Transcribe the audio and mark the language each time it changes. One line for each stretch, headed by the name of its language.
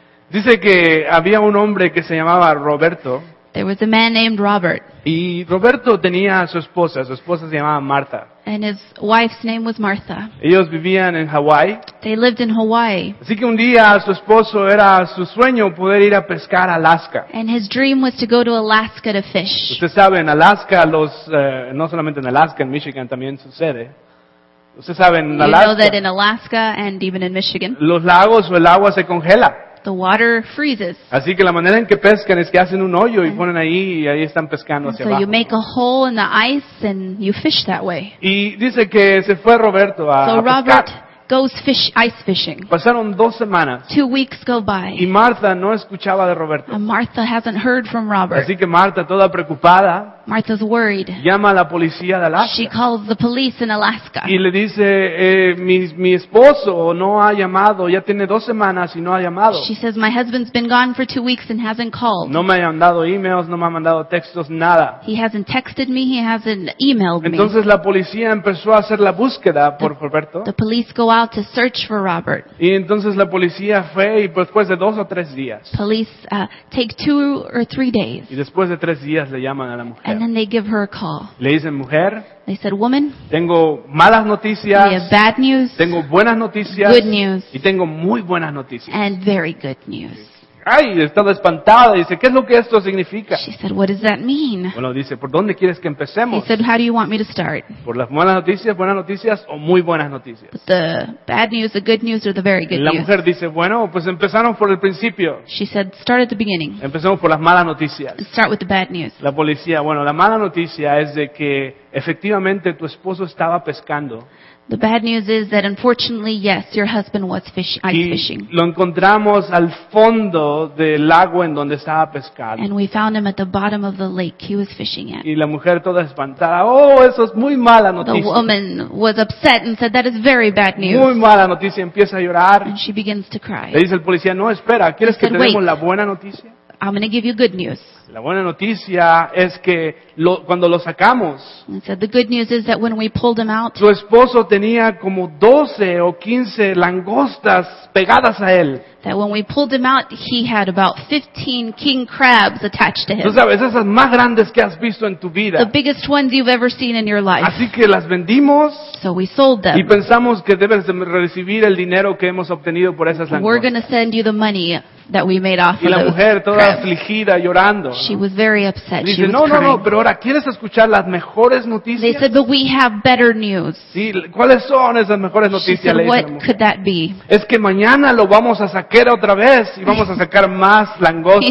Spanish: Dice que había un hombre que se llamaba Roberto.
English: There was a man named Robert.
Spanish: Y Roberto tenía a su esposa. Su esposa se llamaba Martha.
English: And his wife's name was Martha.
Spanish: Ellos vivían en Hawaii.
English: They lived in Hawaii.
Spanish: Así que un día su esposo era su sueño poder ir a pescar a Alaska.
English: And his dream was to go to Alaska to fish.
Spanish: Usted sabe, en Alaska no solamente en Alaska, en Michigan también sucede. Usted sabe, en Alaska.
English: You know that in Alaska and even in Michigan.
Spanish: Los lagos o el agua se congela.
English: The water freezes.
Spanish: Así que la manera en que pescan es que hacen un hoyo y ponen ahí y ahí están pescando hacia abajo.
English: So you make a hole in the ice and you fish that way.
Spanish: Y dice que se fue Roberto a pescar.
English: So Robert goes ice fishing.
Spanish: Pasaron dos semanas.
English: 2 weeks go by.
Spanish: Y Martha no escuchaba de Roberto.
English: And Martha hasn't heard from Robert.
Spanish: Así que Martha, toda preocupada,
English: Martha's worried.
Spanish: Llama a la policía de Alaska.
English: She calls the police in Alaska.
Spanish: Y le dice, mi esposo no ha llamado, ya tiene dos semanas y no ha llamado.
English: She says, my husband's been gone for 2 weeks and hasn't called.
Spanish: No me ha mandado emails, no me ha mandado textos, nada.
English: He hasn't texted me, he hasn't emailed me.
Spanish: Entonces la policía empezó a hacer la búsqueda por Roberto.
English: The police go out to search for Robert.
Spanish: Y entonces la policía fue y después de dos o tres días.
English: Police take 2 or 3 days.
Spanish: Y después de tres días le llaman a la mujer.
English: And then they give her a call.
Spanish: Le dicen, mujer.
English: They said, woman.
Spanish: Tengo malas noticias.
English: We have bad news.
Spanish: Tengo buenas noticias.
English: Good news.
Spanish: Y tengo muy buenas noticias.
English: And very good news.
Spanish: Ay, estaba espantada. Dice, ¿qué es lo que esto significa?
English: She said, what does that mean?
Spanish: Bueno, dice, ¿por dónde quieres que empecemos?
English: He said, how do you want me to start?
Spanish: ¿Por las buenas noticias o muy buenas noticias?
English: But the bad news, the good news, or the very good news.
Spanish: La mujer dice, bueno, pues empezaron por el principio.
English: She said, start at the beginning.
Spanish: Empecemos por las malas noticias.
English: Start with the bad news.
Spanish: La policía, bueno, la mala noticia es de que efectivamente tu esposo estaba pescando.
English: The bad news is that unfortunately, yes, your husband was ice fishing.
Spanish: Lo encontramos al fondo del lago en donde estaba pescando.
English: And we found him at the bottom of the lake he was fishing at.
Spanish: Y la mujer toda espantada, oh, eso es muy mala noticia.
English: The woman was upset and said, that is very bad news.
Spanish: Muy mala noticia, empieza a llorar.
English: And she begins to cry.
Spanish: Le dice el policía, no, espera, ¿quieres que te demos la buena noticia?
English: I'm going to give you good news.
Spanish: La buena noticia es que cuando lo sacamos,
English: and so the good news is that when we pulled him out,
Spanish: su esposo tenía como 12 o 15 langostas pegadas a él.
English: That when we pulled him out, he had about 15 king crabs attached to him.
Spanish: Tú sabes, esas más grandes que has visto en tu vida.
English: The biggest ones you've ever seen in your life.
Spanish: Así que las vendimos.
English: So we sold them.
Spanish: Y pensamos que debes de recibir el dinero que hemos obtenido por esas langostas.
English: We're going to send you the money that we made off of those.
Spanish: Y la mujer toda afligida, llorando.
English: She was very upset.
Spanish: Dice,
English: she was
Spanish: no,
English: crying.
Spanish: No, pero ahora quieres escuchar las mejores noticias.
English: They said, but we have better news.
Spanish: Sí, ¿cuáles son esas mejores noticias?
English: She said, what could that be?
Spanish: Es que mañana lo vamos a sacar otra vez y vamos a sacar más langostas.